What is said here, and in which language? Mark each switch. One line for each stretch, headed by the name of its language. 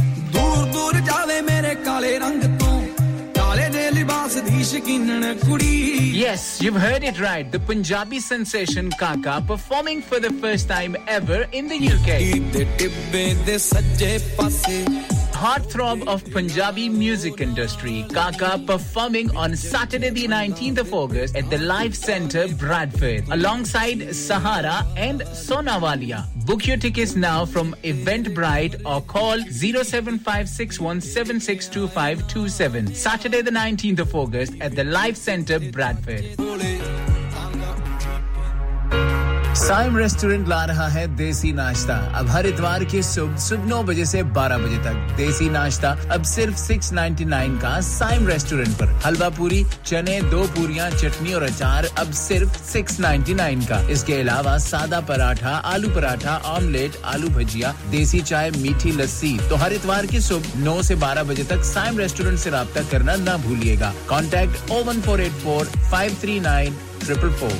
Punjabi: ਦੂਰ ਦੂਰ ਜਾਵੇ ਮੇਰੇ ਕਾਲੇ ਰੰਗ ਤੋਂ
English: Yes, you've heard it right. The Punjabi sensation Kaka performing for the first time ever in the UK. Heartthrob of Punjabi music industry. Kaka performing on Saturday the 19th of August at the Life Centre, Bradford. Alongside Sahara and Sonawalia. Book your tickets now from Eventbrite or call 07561762527. Saturday the 19th of August at the Life Centre, Bradford.
Hindi: Saim restaurant ला रहा है देसी नाश्ता अब हर इतवार की सुबह सुबह 9 बजे से 12 बजे तक देसी नाश्ता अब सिर्फ 6.99 का साइम रेस्टोरेंट पर हलवा पूरी चने दो पूरियां चटनी और अचार अब सिर्फ 6.99 का इसके अलावा सादा पराठा ऑमलेट आलू भजिया देसी चाय मीठी लस्सी तो हर इतवार की सुबह 9 से 12 बजे तक साइम रेस्टोरेंट से رابطہ करना ना भूलिएगा कांटेक्ट 01484539 444